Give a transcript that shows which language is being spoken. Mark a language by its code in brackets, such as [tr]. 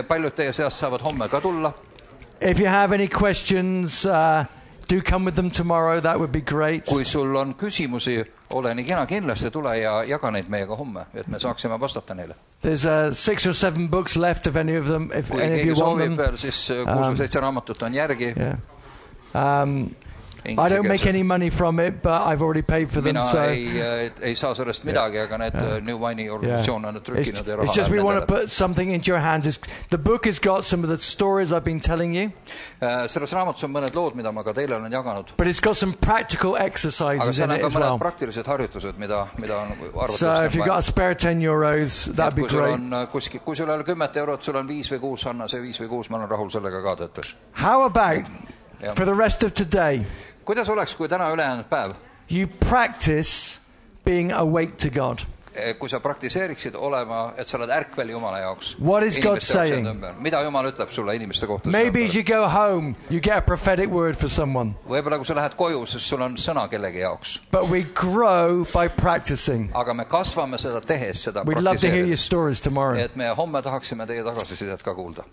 [et] Paljud teie seas saavad homme ka tulla. [en] If you have any questions, do come with them tomorrow. That would be great. [et] Kui sul on küsimusi, ole nii kena kindlasti tule ja jaga neid meiega homme, et me saaksime vastata neile. [en] There's 6 or 7 books left of any of them. If any of you want them. [et] Veel, siis [en] 6 or 7 [et] raamatut on järgi. [en] I don't make any money from it, but I've already paid for them. So [et] ei saa sellest midagi, aga need New Wine organisatsioon on trükkinud ja raha. [en] It's just we want to put something into your hands. The book has got some of the stories I've been telling you. [et] Selles raamatus on mõned lood, mida ma ka teile olen jaganud. [en] But it's got some practical exercises in it as well. [et] Aga mõned praktilised harjutused, mida on arvutus. [en] So if you've got a spare 10 euros, that'd be great. [et] Kui sul on 10 eurot, sul on 5 või 6, anna see 5 või 6, ma olen rahul sellega ka tõttes. [en] How about for the rest of today? [et] Kuidas oleks, kui täna ülejäänud päev? [en] You practice being awake to God. [et] Kui sa praktiseeriksid olema, et sa oled ärkvel Jumala jaoks. [en] What is God saying? [et] Mida Jumal ütleb sulle inimeste kohta? [en] Maybe as you go home, you get a prophetic word for someone. [et] Võibolla kui sa lähed koju, sest sul on sõna kellegi jaoks. [en] But we grow by practicing. [et] Aga me kasvame seda tehes, seda praktiseerid. [en] We'd love to hear your stories tomorrow. [et] Et me homme tahaksime teie tagasisidet ka kuulda.